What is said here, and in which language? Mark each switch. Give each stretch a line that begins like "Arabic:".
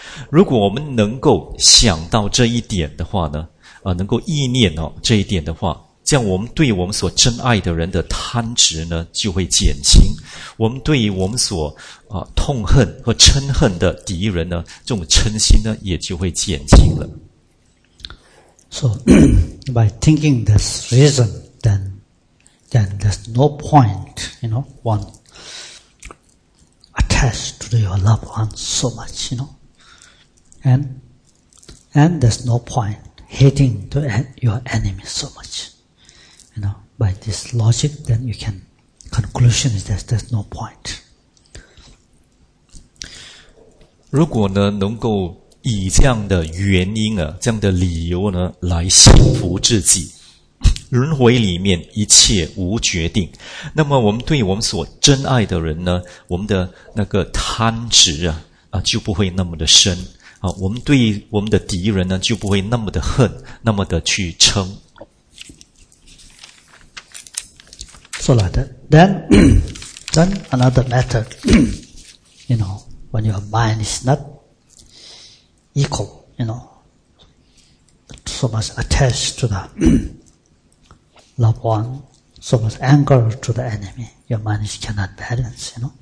Chinese: 如果我们能够想到这一点的话呢，能够意念这一点的话，这样我们对我们所真爱的人的贪执呢就会减轻，我们对于我们所痛恨和嗔恨的敌人呢，这种嗔心呢也就会减轻了。
English: So by thinking this reason, then there's no point, you know, one attached to your loved one so much, you know, and there's no point hating to your enemy so much. You know, by this logic, then you can, conclusion is that there's no point.
Chinese: 如果呢，能够以这样的原因啊，这样的理由呢，来幸福自己，轮回里面一切无决定，那么我们对我们所真爱的人呢，我们的那个贪执啊，就不会那么的深啊，我们对我们的敌人呢，就不会那么的恨，那么的去嗔。
English: So like that. Then another matter, you know, when your mind is not equal, you know, so much attached to the loved one, so much anger to the enemy, your mind cannot balance, you know.